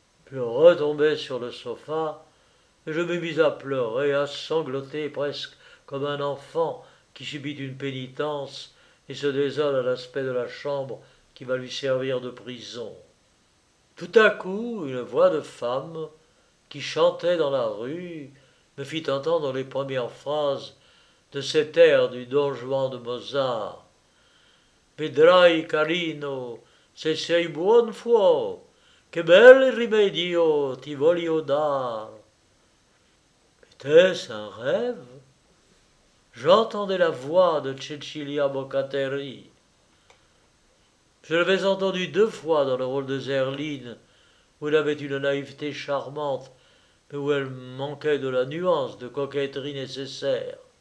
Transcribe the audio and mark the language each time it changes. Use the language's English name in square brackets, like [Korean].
[French] Je retombai sur le sofa et je me mis à pleurer, à sangloter presque comme un enfant qui subit une pénitence et se désole à l'aspect de la chambre qui va lui servir de prison. Tout à coup, une voix de femme qui chantait dans la rue me fit entendre les premières phrases de cet air du Don Juan de Mozart. [Italian] vedrai, carino, se sei buon fuo, che bel rimedio ti voglio dar. [French] Était-ce un rêve? J'entendais la voix de Cecilia Boccaterri. Je l'avais entendue deux fois dans le rôle de Zerline, où elle avait une naïveté charmante, mais où elle manquait de la nuance de coquetterie nécessaire.